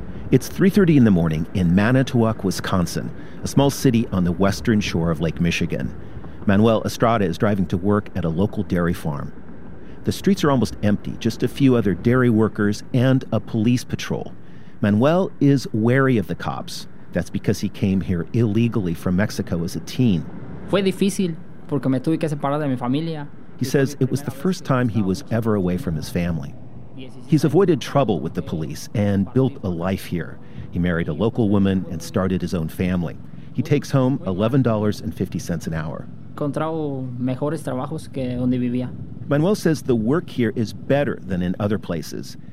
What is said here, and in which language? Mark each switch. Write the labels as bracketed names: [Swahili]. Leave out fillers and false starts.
[English] It's 3:30 in the morning in Manitowoc, Wisconsin, a small city on the western shore of Lake Michigan. Manuel Estrada is driving to work at a local dairy farm. The streets are almost empty, just a few other dairy workers and a police patrol. Manuel is wary of the cops. That's because he came here illegally from Mexico as a teen. [Spanish] Fue difícil porque me tuve que separar de mi familia. [English] He says it was the first time he was ever away from his family. He's avoided trouble with the police and built a life here. He married a local woman and started his own family. He takes home $11.50 an hour. [Spanish] Encontrado mejores trabajos que donde vivía. [English] Manuel says the work here is better than in other places.